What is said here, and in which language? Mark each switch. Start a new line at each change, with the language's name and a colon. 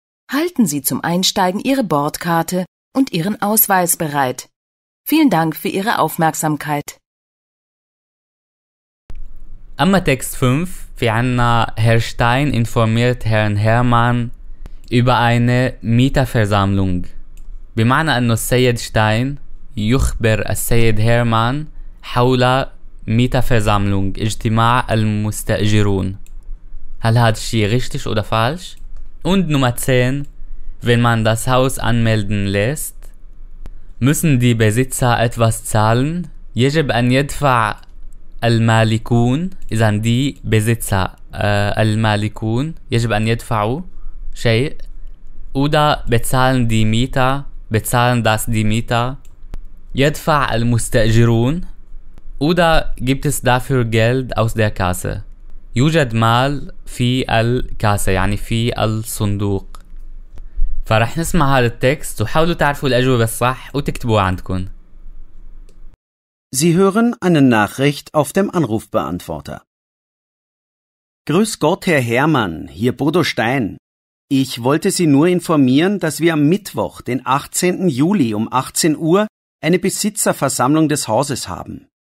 German: Halten Sie zum Einsteigen Ihre Bordkarte und Ihren Ausweis bereit. Vielen Dank für Ihre Aufmerksamkeit. Am Text 5, wir haben Herr Stein informiert Herrn Hermann über eine Mieterversammlung.
Arabic: بمعنى أنه السيد شتاين يخبر السيد هيرمان حول Mieterversammlung, اجتماع المستأجرون. هل هذا الشيء
German: richtig oder falsch? Und Nummer 10, wenn man das Haus anmelden lässt, müssen die Besitzer etwas zahlen?
Arabic: يجب أن يدفع المالكون, إذا دي Besitzer, المالكون, يجب أن يدفعوا شيء.
German: Oder bezahlen die Mieter, bezahlen das die Mieter,
Arabic: يدفع المستأجرون,
German: oder gibt es dafür Geld aus der Kasse.
Arabic: يوجد مال في الكاسة, يعني في الصندوق. فرح نسمع هذا التكست وحاولوا تعرفوا الأجوبة الصح وتكتبوها عندكم.
German: Sie hören eine Nachricht auf dem Anrufbeantworter. Grüß Gott, Herr Hermann, hier Bodo Stein. Ich wollte Sie nur informieren, dass wir am Mittwoch, den 18. Juli um 18 Uhr, eine Besitzerversammlung des Hauses haben.